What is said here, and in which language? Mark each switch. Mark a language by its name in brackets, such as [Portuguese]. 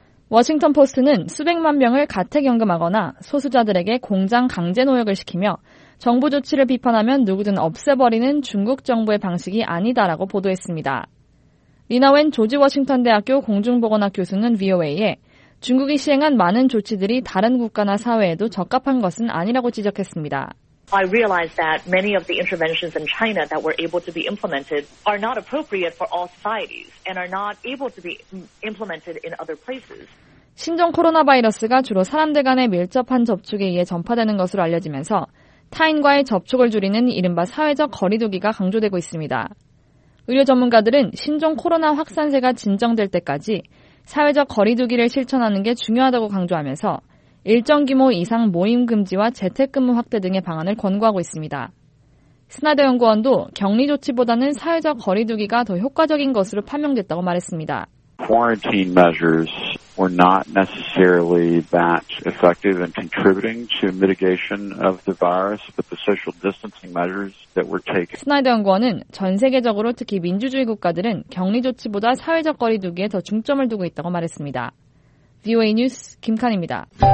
[Korean] 워싱턴 포스트는 수백만 명을 가택연금하거나 소수자들에게 공장 강제 노역을 시키며 정부 조치를 비판하면 누구든 없애버리는 중국 정부의 방식이 아니다라고 보도했습니다. 리나 웬 조지 워싱턴 대학교 공중보건학 교수는 VOA에 중국이 시행한 많은 조치들이 다른 국가나 사회에도 적합한 것은 아니라고 지적했습니다. [English] I realize that many of the interventions in China that were able to be implemented are not appropriate for all societies and are not able to be implemented in other places. [Korean] 신종 코로나 바이러스가 주로 사람들 간의 밀접한 접촉에 의해 전파되는 것으로 알려지면서 타인과의 접촉을 줄이는 이른바 사회적 거리두기가 강조되고 있습니다. 의료 전문가들은 신종 코로나 확산세가 진정될 때까지 사회적 거리두기를 실천하는 게 중요하다고 강조하면서 일정 규모 이상 모임 금지와 재택근무 확대 등의 방안을 권고하고 있습니다. 스나더 연구원도 격리 조치보다는 사회적 거리두기가 더 효과적인 것으로 판명됐다고 말했습니다. [English] Quarantine measures were not necessarily that effective in contributing to mitigation of the virus, but the social distancing measures that were taken. [Korean] 스나이더 연구원은 전 세계적으로 특히 민주주의 국가들은 격리 조치보다 사회적 거리두기에 더 중점을 두고 있다고 말했습니다. VOA 뉴스 김칸입니다.